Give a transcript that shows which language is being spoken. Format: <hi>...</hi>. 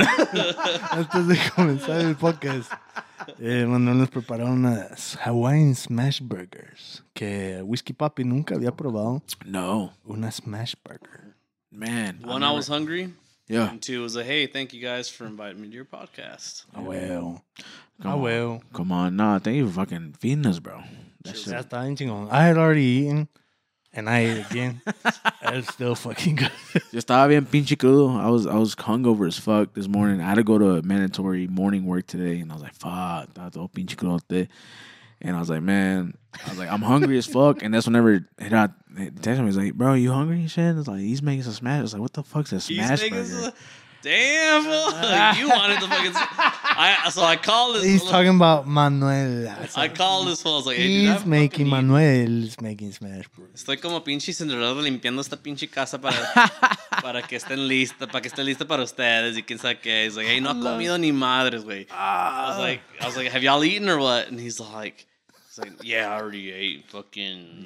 <es>Antes de comenzar el podcast, Manuel nos preparó unas Hawaiian Smash Burgers que Whiskey Papi nunca había probado. No. Una Smash Burger.</es> <en>Man. One, I was hungry. Yeah. And two, it was a, hey, thank you guys for inviting me to your podcast. I will. Come on. Nah, thank you for fucking feeding us, bro. I had already eaten. And I ate again. It's still fucking good.</en> <es>Yo estaba bien pinche crudo.</es> <en>I was hungover as fuck this morning. I had to go to a mandatory morning work today. And I was like, fuck.</en> <es>Estaba todo pinche crudote.</es> <en>And I was like, man. I was like, I'm hungry as fuck. And that's whenever he got attention. He's like, bro, you hungry and shit? I was like, he's making some smash. I was like, what the fuck's a smash burger? You wanted the fucking. I called this. He's talking about Manuel. I called this fool. I was like, hey, he's making Manuel. He's making smash.</en> <es>Estoy como pinche cinderado limpiando esta pinche casa para que estén listas, para que estén listas para ustedes. Y quién sabe qué.</es> <en>He's like, hey,</en> <es>no ha comido ni madres, güey.</es> <en>I was like, have y'all eaten or what? And he's like, yeah, I already ate fucking.</en>